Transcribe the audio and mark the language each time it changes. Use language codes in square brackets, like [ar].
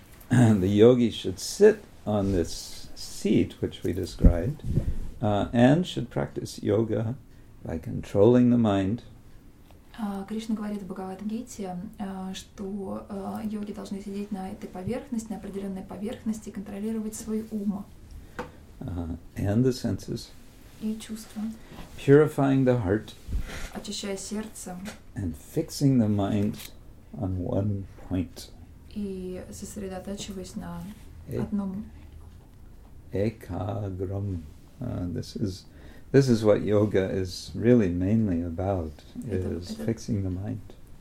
[en] The yogi should sit on this seat, which we described, and should practice yoga by controlling the mind. [ru] Кришна говорит в Бхагавад-гите, что йоги должны сидеть на этой поверхности, на определенной поверхности, контролировать свой ум. [en] And the senses. [ru] И чувства. [en] Purifying the heart. [ru] Очищая сердце. [en] And fixing the mind on one point. [ru] И сосредотачиваясь на одном. [sa] Ekagram. [en] This is what yoga is really mainly about, is fixing the mind.